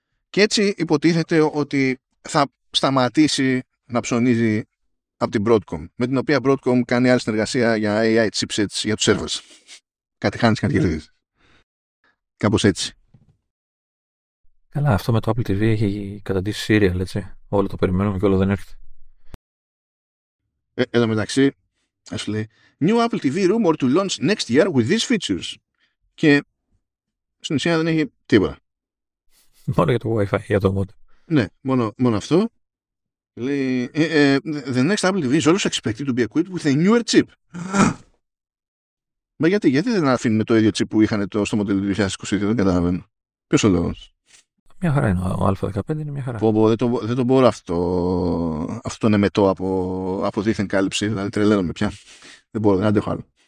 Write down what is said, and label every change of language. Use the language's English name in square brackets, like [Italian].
[Greek] Και έτσι υποτίθεται ότι θα σταματήσει να ψωνίζει από την Broadcom, με την οποία Broadcom κάνει άλλη συνεργασία για AI chipsets για τους servers. Κάτι χάνεις, κάτι κερδίζεις. Κάπως έτσι. Καλά, αυτό με το Apple TV έχει καταντήσει serial, έτσι. Όλο το περιμένουμε και όλο δεν έρχεται. Εδώ μεταξύ, ας λέει, [English] New Apple TV rumor to launch next year with these features. [Greek] Και στην ουσία δεν έχει τίποτα. Μόνο για το Wi-Fi, για το modem. Ναι, μόνο αυτό. Λέει, [English] the next Apple TV is always expected to be equipped with a newer chip. [Greek] Μα γιατί δεν αφήνουμε το ίδιο chip που είχαν στο μοντέλο 2022, δεν καταλαβαίνω. Ποιος ο λόγος? Μια χαρά είναι ο Α15, είναι μια χαρά. Δεν το μπορώ αυτό τον εμετό από δίθεν κάλυψη, δηλαδή τρελαίνομαι πια. Δεν μπορώ, δεν αντέχω άλλο.